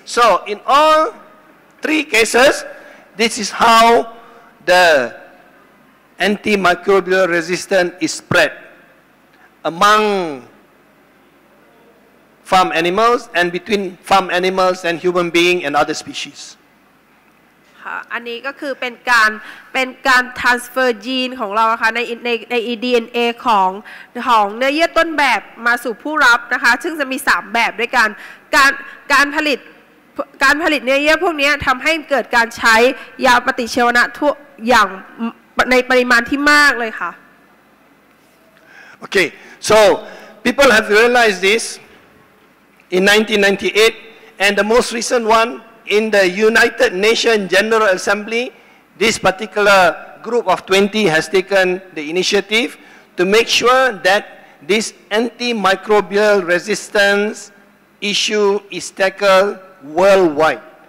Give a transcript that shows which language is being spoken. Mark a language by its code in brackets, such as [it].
[en] So in all three cases, this is how the antimicrobial resistance is spread among farm animals and between farm animals and human being and other species. [th] อันนี้ก็คือเป็นการ transfer ยีนของเราค่ะใน DNA ของเนื้อเยื่อต้นแบบมาสู่ผู้รับนะคะซึ่งจะมี3แบบด้วยกันการผลิตเนื้อเยื่อพวกนี้ทำให้เกิดการใช้ยาปฏิชีวนะทั่วอย่างในปริมาณที่มากเลยค่ะ [en] โอเค so people have realized this in 1998 and the most recent oneIn the United Nations General Assembly, this particular group of 20 has taken the initiative to make sure that this antimicrobial resistance issue is tackled worldwide.